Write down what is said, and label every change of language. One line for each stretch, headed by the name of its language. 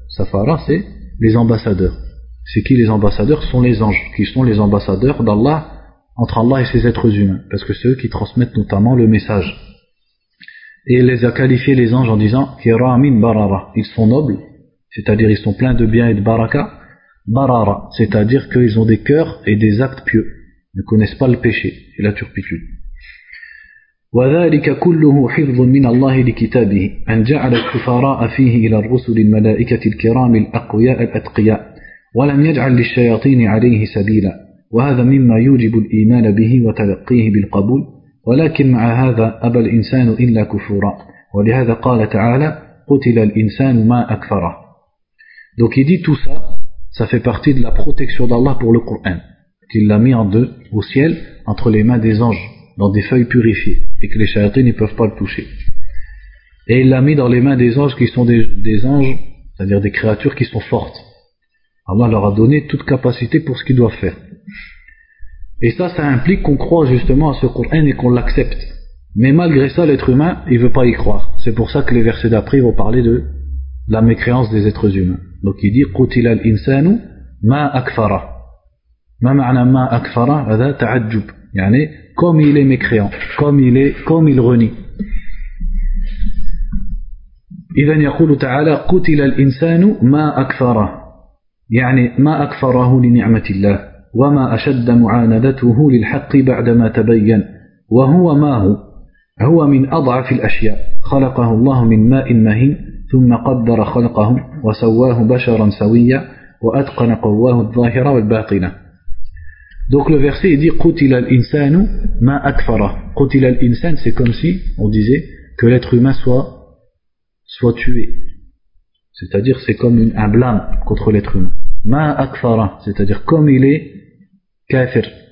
French: Safara, c'est les ambassadeurs. C'est qui les ambassadeurs? Ce sont les anges, qui sont les ambassadeurs d'Allah, entre Allah et ses êtres humains, parce que c'est eux qui transmettent notamment le message. Et il les a qualifiés les anges en disant Kiramin Barara, ils sont nobles, c'est-à-dire ils sont pleins de bien et de baraka. Barara, c'est-à-dire qu'ils ont des cœurs et des actes pieux, ils ne connaissent pas le péché et la turpitude.
Arabic: وذلك كله حفظ من الله لكتابه أن جعل السفراء فيه إلى الرسل الملائكة الكرام الأقوياء الأتقياء ولم يجعل للشياطين عليه سبيلا وهذا مما يوجب الإيمان به وتلقيه بالقبول ولكن مع هذا أبى الإنسان إلا كفورا ولهذا قال تعالى قتل الإنسان ما أكفره.
French: Donc il dit tout ça, ça fait partie de la protection d'Allah pour le Coran qu'il l'a mis en deux au ciel entre les mains des anges dans des feuilles purifiées et que les chayatines ne peuvent pas le toucher. Et il l'a mis dans les mains des anges qui sont des anges, c'est-à-dire des créatures qui sont fortes. Allah leur a donné toute capacité pour ce qu'ils doivent faire. Et ça implique qu'on croit justement à ce Coran et qu'on l'accepte. Mais malgré ça, l'être humain, il ne veut pas y croire. C'est pour ça que les versets d'après vont parler de la mécréance des êtres humains. Donc il dit
Arabic: « Qutila al-insanu ma akfara » Ma ma'na ma akfara adha ta'ajjub.
French: Yani, comme il est mécréant, comme il renie.
Arabic: إذن يقول تعالى قتل الإنسان ما أكفره يعني ما أكفره لنعمة الله وما أشد معاندته للحق بعدما تبين وهو ما هو هو من أضعف الأشياء خلقه الله من ماء مهين ثم قدر خلقه وسواه بشرا سويا وأتقن قواه الظاهرة والباطنة.
French: Donc le verset dit
Arabic: قُتِلَ الْإِنسَانُ مَا أَكْفَرَ. قُتِلَ الْإِنسَانُ,
French: c'est comme si on disait que l'être humain soit tué, c'est-à-dire c'est comme un blâme contre l'être humain. مَا أَكْفَرَ, c'est-à-dire comme il est kafir.